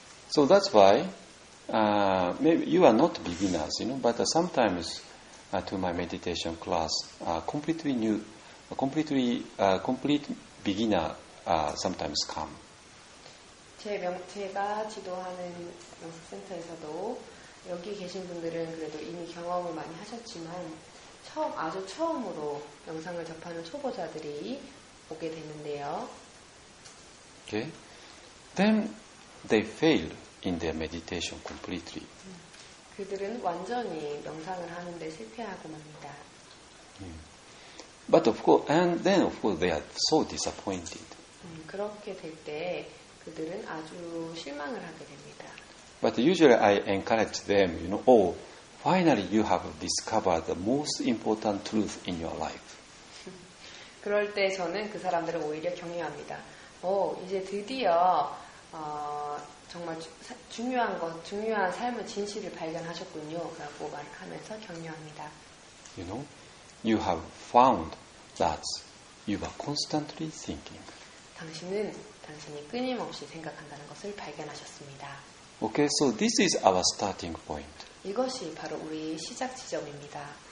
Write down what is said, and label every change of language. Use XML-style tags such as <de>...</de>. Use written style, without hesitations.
<en>So that's why, maybe you are not beginners, you know, but sometimes to my meditation class, completely new, complete beginner sometimes come.</en> <ko>제가 지도하는 명상 센터에서도 여기 계신 분들은 그래도 이미 경험을 많이 하셨지만 아주 처음으로 명상을 접하는 초보자들이 오게 되는데요.</ko> <en>Okay. Then they fail in their meditation completely.</en> <ko>그들은 완전히 명상을 하는데 실패하고 맙니다.</ko> <en>But of course, and then of course they are so disappointed.</en> <ko>그렇게 될 때 그들은 아주 실망을 하게 됩니다.</ko> <en>But usually I encourage them, you know, oh, finally you have discovered the most important truth in your life.</en> <ko>그럴 때 저는 그 사람들을 오히려 격려합니다. 오, 이제 드디어 정말 중요한 것, 중요한 삶의 진실을 발견하셨군요. 라고 말하면서 격려합니다.</ko> <en>You know, you have found that you are constantly thinking.</en> <ko>당신은 당신이 끊임없이 생각한다는 것을 발견하셨습니다.</ko> <en>Okay, so this is our starting point.</en> <ko>이것이 바로 우리 시작 지점입니다.</ko>